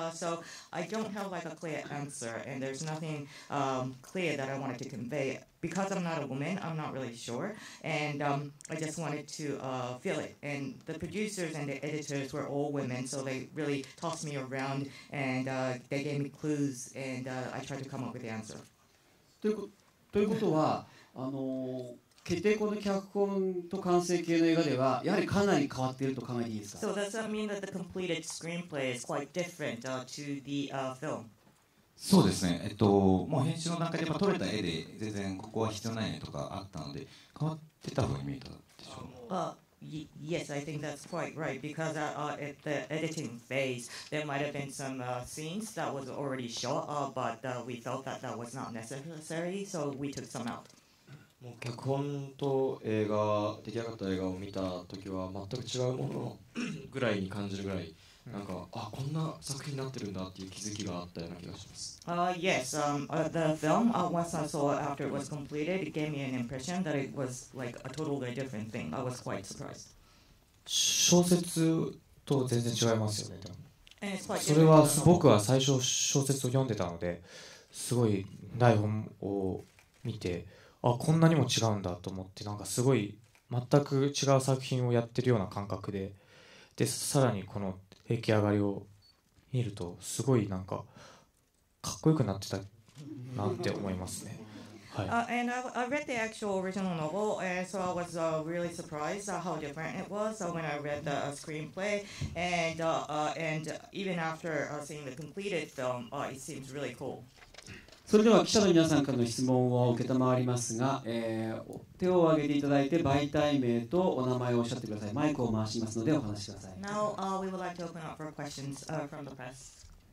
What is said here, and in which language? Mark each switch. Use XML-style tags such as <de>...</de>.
<en>So I don't have like a clear answer and there's nothing clear that I wanted to convey. Because I'm not a woman, I'm not really sure. And I just wanted to feel it. And the producers and the editors were all women, so they really tossed me around and they gave me clues and I tried to come up with the answer.</en> <ja>ということは、決定校の脚本と完成形の映画ではやはりかなり変わっていると考えていいですか？</ja> <en>So does that mean that the completed screenplay is quite different to the film?</en> <ja>そうですね、もう編集の中で撮れた絵で全然ここは必要ないねとかあったので変わってた方に見えたでしょう。</ja> <en>Yes, I think that's quite right because at the editing phase there might have been some scenes that was already shot but we felt that that was not necessary so we took some out.</en> <ja>もう脚本と映画、出来上がった映画を見たときは全く違うものぐらいに感じるぐらい、なんか、あ、こんな作品になってるんだっていう気づきがあったような気がします。</ja> <en>Yes, the film, once I saw it after it was completed, it gave me an impression that it was like a totally different thing. I was quite surprised.</en> <ja>小説と全然違いますよね、多分。それは僕は最初小説を読んでたので、すごい台本を見て、あ、こんなにも違うんだと思ってなんかすごい全く違う作品をやってるような感覚で、でさらにこの出来上がりを見るとすごいなんかかっこよくなってたなって思いますね。</ja> <en>And I read the actual original novel, and so I was really surprised how different it was when I read the screenplay. And even after seeing the completed film, it seems really cool.</en> <ja>それでは記者の皆さんからの質問を受けたまわりますが、手を挙げていただいて媒体名とお名前をおっしゃってください。マイクを回しますのでお話しください。</ja> <en>Now, we would like to open up for questions from the press.</en>